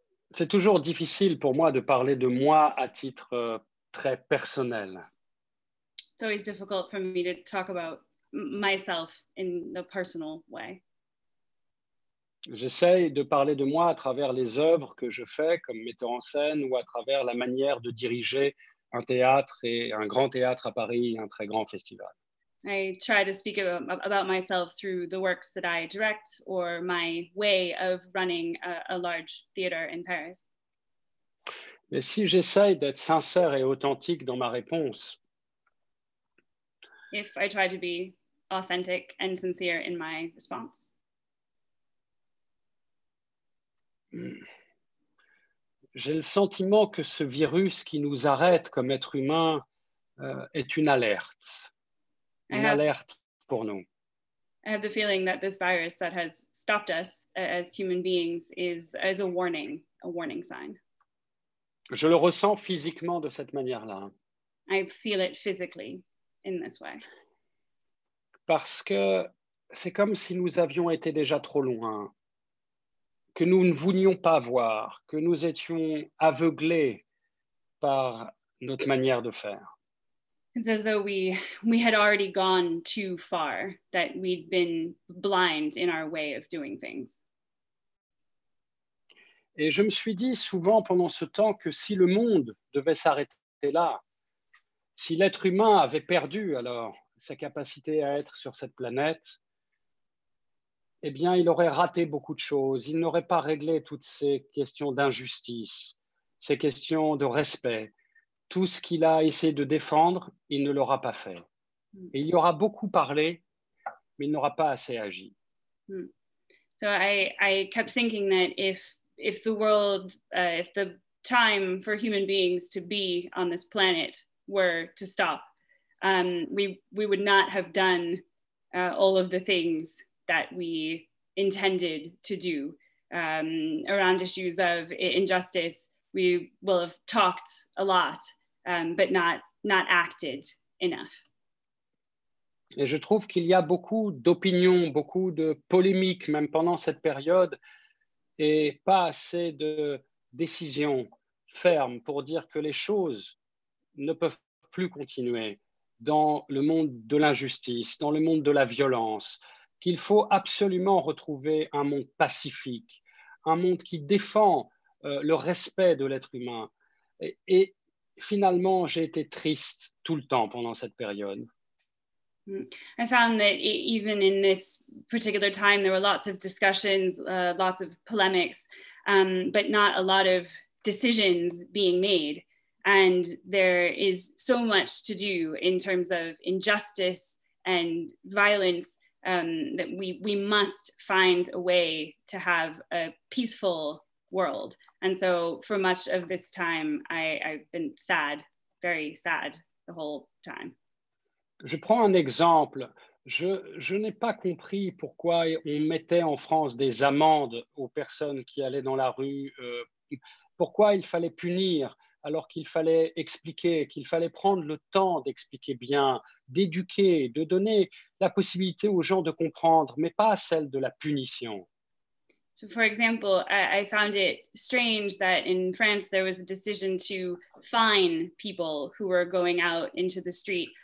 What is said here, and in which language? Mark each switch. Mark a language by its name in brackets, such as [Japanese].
[French] C'est toujours difficile pour moi de parler de moi à titre très personnel. [English] It's always difficult for me to talk about myself in a personal way. [French] J'essaye de parler de moi à travers les œuvres que je fais comme metteur en scène ou à travers la manière de diriger un théâtre et un grand théâtre à Paris, un très grand festival. [English] I try to speak about myself through the works that I direct or my way of running a large theater in Paris. [French] Mais si j'essaye d'être sincère et authentique dans ma réponse, [English] if I try to be authentic and sincere in my response, [French] j'ai le sentiment que ce virus qui nous arrête comme être humain est une alerte. Alerte pour nous. [English] I have the feeling that this virus that has stopped us as human beings is a warning sign. [French] Je le ressens physiquement de cette manière-là. [English] I feel it physically in this way. [French] Parce que c'est comme si nous avions été déjà trop loin, que nous ne voulions pas voir, que nous étions aveuglés par notre manière de faire. [English] It's as though we had already gone too far, that we'd been blind in our way of doing things. [French] Et je me suis dit souvent pendant ce temps que si le monde devait s'arrêter là, si l'être humain avait perdu alors sa capacité à être sur cette planète, eh bien il aurait raté beaucoup de choses, il n'aurait pas réglé toutes ces questions d'injustice, ces questions de respect. Tout ce qu'il a essayé de défendre, il ne l'aura pas fait. Et il y aura beaucoup parlé, mais il n'aura pas assez agi. [English] So I kept thinking that if the world, if the time for human beings to be on this planet were to stop, we would not have done all of the things that we intended to do around issues of injustice. We will have talked a lot. But not acted enough. [French] Et je trouve qu'il y a beaucoup d'opinions, beaucoup de polémiques, même pendant cette période, et pas assez de décisions fermes pour dire que les choses ne peuvent plus continuer dans le monde de l'injustice, dans le monde de la violence, qu'il faut absolument retrouver un monde pacifique, un monde qui défend le respect de l'être humain. Et finalement, j'ai été triste tout le temps pendant cette période. [English] I found that even in this particular time, there were lots of discussions, lots of polemics, but not a lot of decisions being made. And there is so much to do in terms of injustice and violence that we must find a way to have a peaceful world. And so for much of this time, I've been sad, very sad the whole time. [French] Je prends un exemple. Je n'ai pas compris pourquoi on mettait en France des amendes aux personnes qui allaient dans la rue. Pourquoi il fallait punir alors qu'il fallait expliquer, qu'il fallait prendre le temps d'expliquer bien, d'éduquer, de donner la possibilité aux gens de comprendre, mais pas celle de la punition. [English] So for example, I found it strange that in France there was a decision to fine people who were going out into the street.